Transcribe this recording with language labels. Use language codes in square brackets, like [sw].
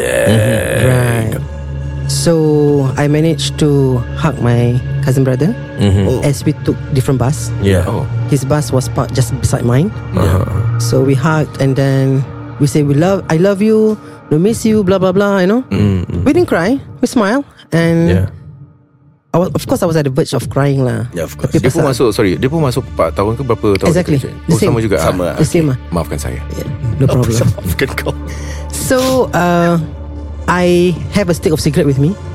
[en] Right. So I managed to hug my cousin brother as we took different bus. Yeah. His bus was parked just beside mine. So we hugged and then we say I love you, we miss you, blah blah blah, you know. We didn't cry, we smile, and yeah. Of course I was at the verge of crying lah. Yeah, of course. [ms] Dia pun masuk, sorry, dia pun masuk 4 tahun ke berapa tahun? [en] Exactly. [ms] Oh, sama juga. Sama. [en] The same. Okay. [ms] Maafkan saya. Yeah, [en] no problem. [ms] Maafkan kau. [en] So, I have a stick of cigarette with me.